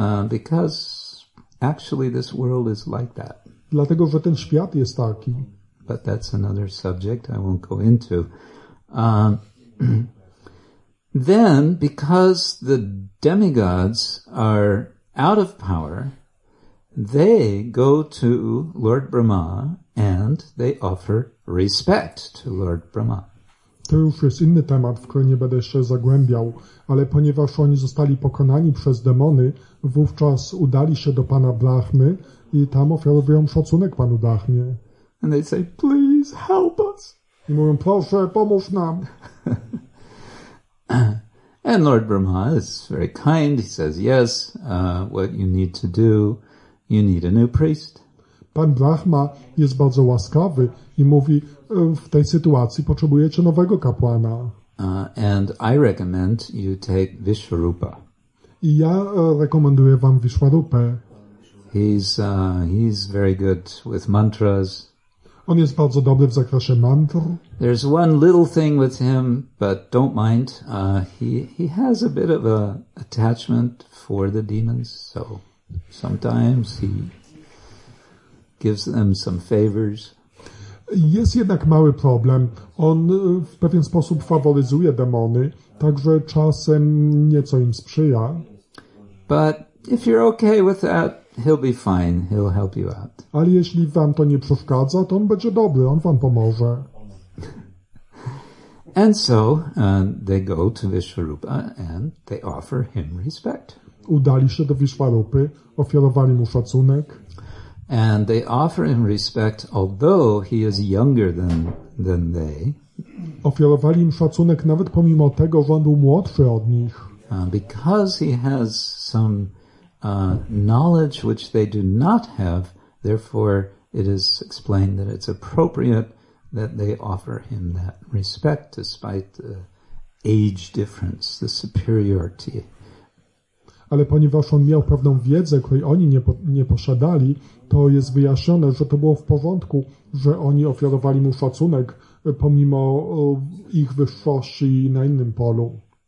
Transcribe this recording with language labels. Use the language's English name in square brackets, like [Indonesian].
[English] Because actually this world is like that. [Polish] Dlatego, że ten świat jest taki. [English] But that's another subject I won't go into. Then, because the demigods are out of power, they go to Lord Brahma and they offer respect to Lord Brahma. [Polish] To już jest inny temat, w który nie będę się zagłębiał, ale ponieważ oni zostali pokonani przez demony, wówczas udali się do pana Brahmy i tam ofiarowują szacunek panu Brahmie. [English] And they say, please help us. [Polish] I mówią, proszę, pomóż nam. [English] And Lord Brahma is very kind. He says, yes, what you need to do, You need a new priest. [Polish] Pan Brahma jest bardzo łaskawy i mówi, w tej sytuacji potrzebujecie nowego kapłana. [English] And I recommend you take Vishwarupa. [Polish] I ja rekomenduję wam Vishwarupę. [English] He's very good with mantras. [Polish] On jest bardzo dobry w zakresie mantr. [English] There's one little thing with him, but don't mind. He has a bit of a attachment for the demons, so sometimes he gives them some favors. [Polish] Jest jednak mały problem. On w pewien sposób faworyzuje demony, także czasem nieco im sprzyja. [English] But if you're okay with that, he'll be fine. He'll help you out. [Polish] Ale jeśli wam to nie przeszkadza, to on będzie dobry. On wam pomoże. [English] And so they go to Vishwarupa and they offer him respect. [Polish] Udali się do Vishwarupy, ofiarowali mu szacunek. [English] And they offer him respect, although he is younger than they. [Polish] Ofiarowali im szacunek nawet pomimo tego, że on był młodszy od nich. [English] Because he has some knowledge which they do not have, therefore it is explained that it's appropriate that they offer him that respect despite the age difference, the superiority. [Polish] Ale ponieważ on miał pewną wiedzę, której oni nie posiadali, to jest wyjaśnione, że to było w porządku, że oni ofiarowali mu szacunek pomimo ich wyższości na innym polu.